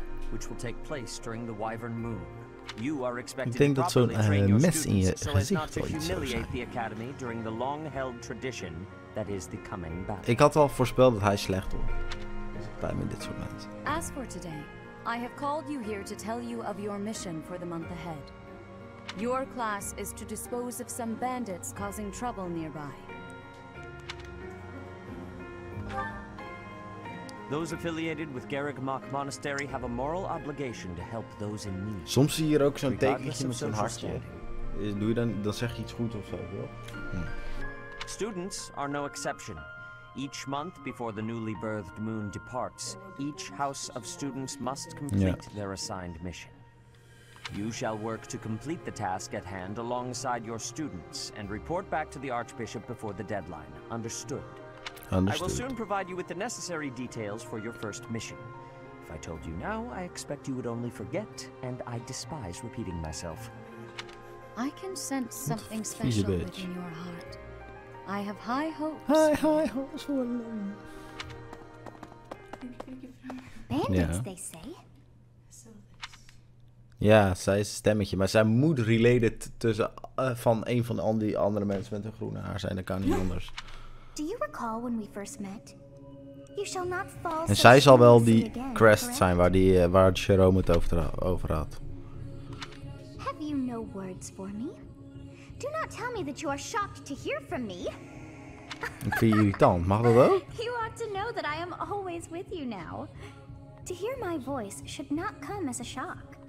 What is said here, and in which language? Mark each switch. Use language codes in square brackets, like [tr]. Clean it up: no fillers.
[en] Which will take place during the Wyvern Moon. You are expected to properly train your students so as not to humiliate the academy during the long-held tradition that is the coming battle. [nl] Ik had al voorspeld dat hij slecht wordt. Bij me dit soort mensen. [en] As for today, I have called you here to tell you of your mission for the month ahead. Your class is to dispose of some bandits causing trouble nearby. Those affiliated with Garrick Mach Monastery have a moral obligation to help those in need. [nl] Soms zie je hier ook zo'n tekentje met zo'n hartje. Doe je dan zeg je iets goed of zo, joh. [en] Students are no exception. Each month before the newly birthed moon departs, each house of students must complete their assigned mission. You shall work to complete the task at hand alongside your students and report back to the Archbishop before the deadline. Understood? Understood. I will soon provide you with the necessary details for your first mission. If I told you now, I expect you would only forget, and I despise repeating myself. I can sense something special within your heart. I have high hopes. High hopes for them. Bandits, they say. [nl] Ja, zij is een stemmetje, maar zij moet related tussen van een van die andere mensen met een groene haar zijn. Dat kan niet anders. [en] Do you recall when we first met? You shall not fall. [nl] En zij zal wel die crest zijn waar die waar Jerome het over had. [en] Have you no words for me? Do not tell me that you are shocked to hear from me. [nl] Ik vind je irritant, mag dat wel? [en] You ought to know that I am always with you now. To hear my voice should not come as a shock.